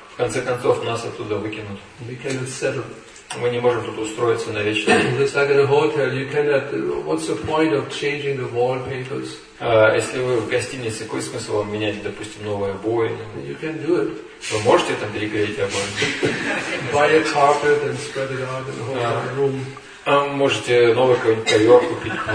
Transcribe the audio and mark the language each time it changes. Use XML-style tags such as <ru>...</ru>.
<ru>В конце концов, нас оттуда выкинут.</ru> <en>We cannot settle.</en> <ru>Мы не можем тут устроиться навечно.</ru> <en>Just like in a hotel, you cannot. What's the point of changing the wallpapers?</en> <ru>Если вы в гостинице, какой смысл вам менять, допустим, новые обои?</ru> <en>You can do it.</en> <ru>Вы можете там переклеить обои.</ru> <en>Buy a carpet and spread it out in the whole room.</en> <ru>Можете новый какой-нибудь ковер купить.</ru>